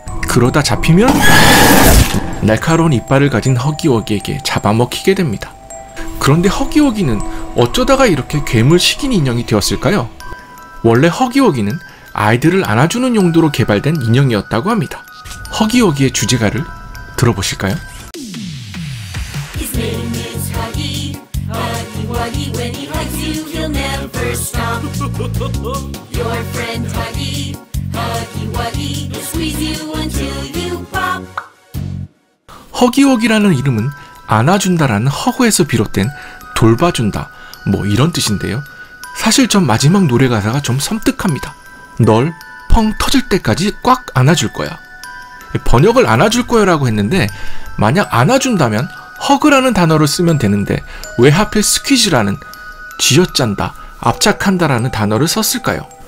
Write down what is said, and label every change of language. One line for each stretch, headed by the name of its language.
Korean: 그러다 잡히면 날카로운 이빨을 가진 허기워기에게 잡아먹히게 됩니다. 그런데 허기워기는 어쩌다가 이렇게 괴물 식인 인형이 되었을까요? 원래 허기워기는 아이들을 안아주는 용도로 개발된 인형이었다고 합니다. 허기워기의 주제가를 들어보실까요?
English: His name is Huggy, Huggy-Wuggy. When he hugs you, he'll never stop. Your friend Huggy, Huggy-Wuggy, he'll squeeze you until you pop.
Korean: 허기워기라는 이름은 안아준다라는 허구에서 비롯된 돌봐준다 뭐 이런 뜻인데요, 사실 전 마지막 노래 가사가 좀 섬뜩합니다. 널 펑 터질 때까지 꽉 안아줄 거야. 번역을 안아줄 거야 라고 했는데 만약 안아준다면 허그라는 단어를 쓰면 되는데 왜 하필 스퀴즈라는 쥐어짠다 압착한다라는 단어를 썼을까요?